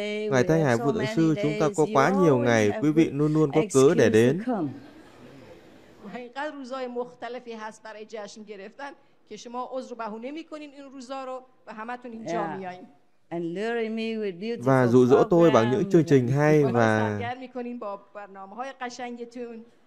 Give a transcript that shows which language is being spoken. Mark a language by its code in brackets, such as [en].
[vi] Ngày Thanh Hải Vô Thượng Sư, chúng ta có quá nhiều ngày, quý vị luôn luôn có cớ để đến. [fa] اینقدر روزای مختلفی هست برای جشن گرفتن که شما عذر و بهونه میکنین این روزا رو و همتون اینجا میایین و رو دو [vi] tôi bằng những chương trình hay và [fa] میکنین با برنامه‌های قشنگتون